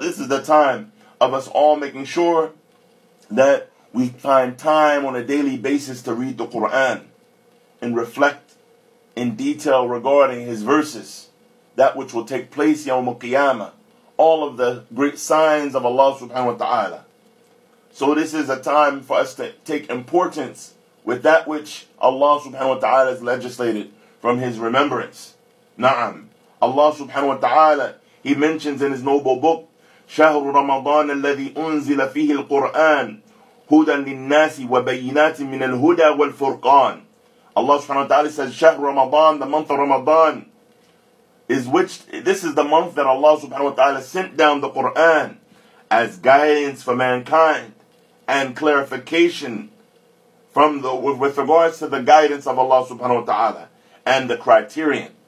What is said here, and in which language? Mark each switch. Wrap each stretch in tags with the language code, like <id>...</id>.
<en>This is the time of us all making sure that we find time on a daily basis to read the Qur'an and reflect in detail regarding his verses, that which will take place yawm al-qiyamah, all of the great signs of Allah subhanahu wa ta'ala. So this is a time for us to take importance with that which Allah subhanahu wa ta'ala has legislated from his remembrance. Na'am. Allah subhanahu wa ta'ala, he mentions in his noble book,</en> <ar>شهر رمضان الذي أنزل فيه القرآن هدى للناس وبينات من الهدى والفرقان.</ar> <en>Allah subhanahu wa ta'ala says, شهر رمضان, the month of Ramadan, is which, this is the month that Allah subhanahu wa ta'ala sent down the Qur'an as guidance for mankind and clarification from the with regards to the guidance of Allah subhanahu wa ta'ala and the criterion.</en>